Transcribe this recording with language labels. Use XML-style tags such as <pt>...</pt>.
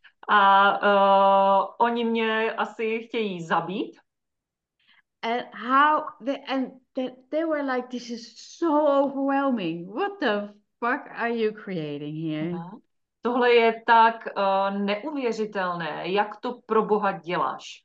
<cs>A oni mě asi chtějí zabít.</cs> <en>And how they and they were like, "This is so overwhelming. What the fuck are you creating here?"</en> <cs>Tohle je tak neuvěřitelné, jak to pro Boha děláš.</cs>